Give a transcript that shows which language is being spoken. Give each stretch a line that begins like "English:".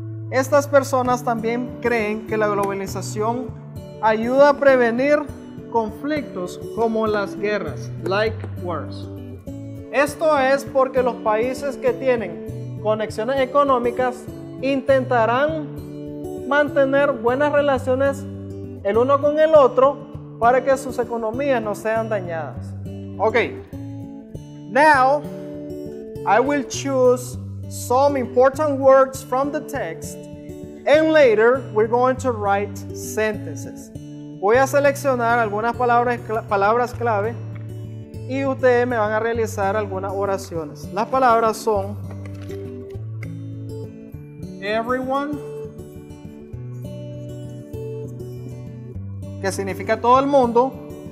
Spanish: Estas personas también creen que la globalización ayuda a prevenir conflictos como las guerras,
English: like wars.
Spanish: Esto es porque los países que tienen conexiones económicas intentarán mantener buenas relaciones el uno con el otro para que sus economías no sean dañadas.
English: Okay, now I will choose some important words from the text, and later we're going to write sentences.
Spanish: Voy a seleccionar algunas palabras clave y ustedes me van a realizar algunas oraciones. Las palabras son everyone, que significa todo el mundo.